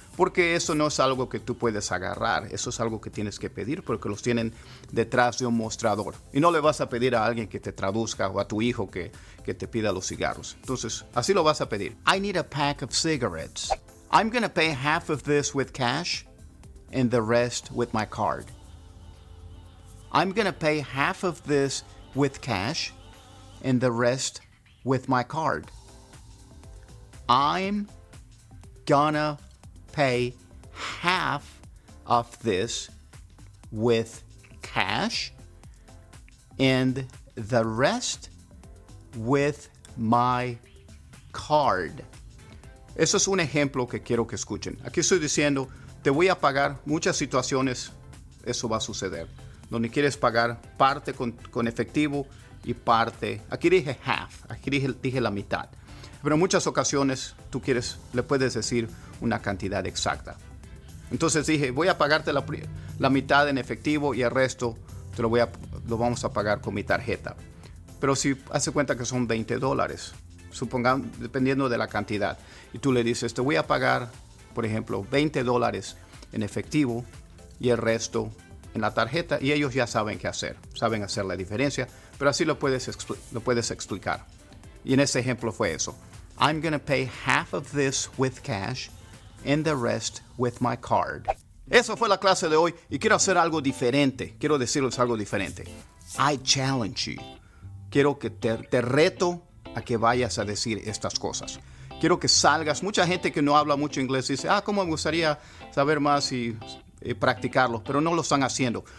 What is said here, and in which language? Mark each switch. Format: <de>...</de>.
<es>porque eso no es algo que tú puedes agarrar. Eso es algo que tienes que pedir porque los tienen detrás de un mostrador. Y no le vas a pedir a alguien que te traduzca o a tu hijo que te pida los cigarros. Entonces, así lo vas a pedir.</es> <en>I need a pack of cigarettes. I'm going to pay half of this with cash and the rest with my card. I'm going to pay half of this with cash and the rest with my card. I'm gonna pay half of this with cash and the rest with my card.</en> <es>Eso es un ejemplo que quiero que escuchen. Aquí estoy diciendo, te voy a pagar muchas situaciones, eso va a suceder. Donde quieres pagar parte con efectivo y parte, aquí dije half, aquí dije la mitad. Pero en muchas ocasiones tú quieres, le puedes decir una cantidad exacta. Entonces dije, voy a pagarte la mitad en efectivo y el resto te lo vamos a pagar con mi tarjeta. Pero si hace cuenta que son $20, supongamos, dependiendo de la cantidad, y tú le dices, te voy a pagar, por ejemplo, $20 en efectivo y el resto en la tarjeta, y ellos ya saben qué hacer, saben hacer la diferencia, pero así lo puedes explicar. Y en ese ejemplo fue eso.</es> <en>I'm going to pay half of this with cash and the rest with my card.</en> <es>Eso fue la clase de hoy y quiero hacer algo diferente. Quiero decirles algo diferente.</es> <en>I challenge you.</en> <es>Quiero que te reto a que vayas a decir estas cosas. Quiero que salgas. Mucha gente que no habla mucho inglés dice, cómo me gustaría saber más y practicarlo, pero no lo están haciendo.</es>